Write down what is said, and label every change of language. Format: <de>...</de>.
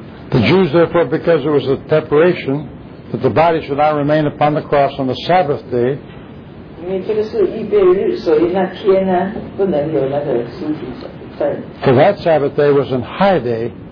<en>The Jews, therefore, because it was a preparation that the body should not remain upon the cross on the Sabbath day.</en> <zh>因为这个是预备日，所以那天呢，不能有那个尸体在。</zh> <en>For that Sabbath day was a high day.</en>